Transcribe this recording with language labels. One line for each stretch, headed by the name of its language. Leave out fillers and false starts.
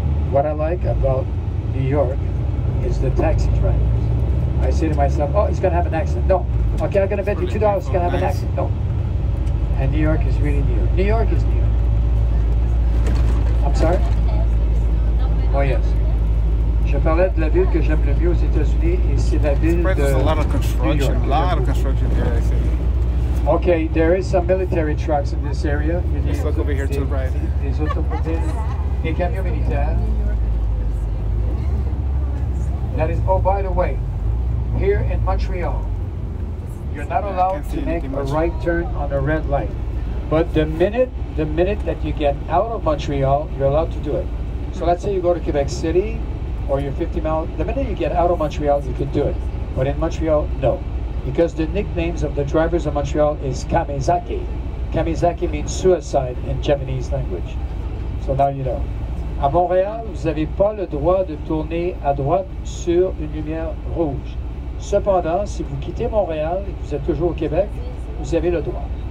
English: What I like about New York is the taxi drivers. I say to myself, oh, he's going to have an accident. No. Okay, I'm going to bet you $2 he's going to have an accident. No. And New York is really New York. New York is New York. I'm sorry? Oh, yes.
French: Je parlais de la ville que j'aime le mieux aux États-Unis, et c'est la ville de
English: a lot of construction. New York. A lot of construction here, I see. Okay, there is some military trucks in this area. Just look over here to the right.
French: Des autopotes. Des camions militaires.
English: That is, oh, by the way, here in Montreal, you're not allowed to make a right turn on a red light. But the minute that you get out of Montreal, you're allowed to do it. So let's say you go to Quebec City, or you're 50 miles. The minute you get out of Montreal, you can do it. But in Montreal, no. Because the nicknames of the drivers of Montreal is Kamizaki. Kamizaki means suicide in Japanese language. So now you know.
French: À Montréal, vous n'avez pas le droit de tourner à droite sur une lumière rouge. Cependant, si vous quittez Montréal et que vous êtes toujours au Québec, vous avez le droit.